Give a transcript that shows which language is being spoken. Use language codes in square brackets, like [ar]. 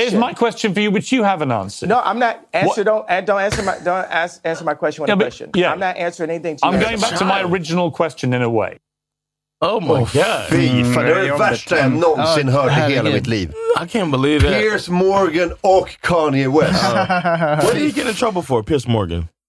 [en] Here's my question for you, which you haven't answered. No, I'm not answer. What? Don't answer my question. With yeah, a question. Yeah. I'm not answering anything. To I'm going back to my original question in a way. Oh my god. [sv] Fy fan, det är det värsta jag någonsin hört i hela mitt liv. [en] I can't believe it. [sv] Pierce Morgan och Kanye West. [en] What did he get in trouble for, Pierce Morgan?